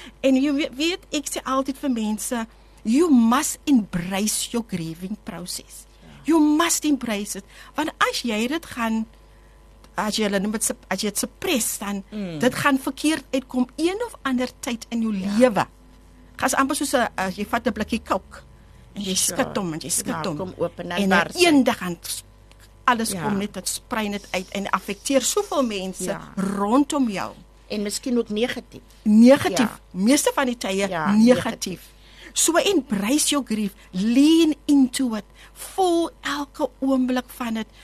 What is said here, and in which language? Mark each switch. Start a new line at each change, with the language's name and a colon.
Afrikaans: En jy weet, ek sê altyd vir mense,
English: you must embrace your grieving process. You must embrace it.
Afrikaans: Want as jy dit gaan as jy het suppress, dan dit gaan verkeerd uitkom een of ander tyd in jou lewe. Gaan amper soos jy vat 'n blikkie kook en jy skud hom en jy skud hom. En eendag gaan alles kom net, dit sprei net uit en affekteer soveel mense rondom jou. En miskien ook negatief. Negatief. Ja. Meeste van die tye negatief.
English: So embrace your grief. Lean into it.
Afrikaans: Voel elke oomblik van het.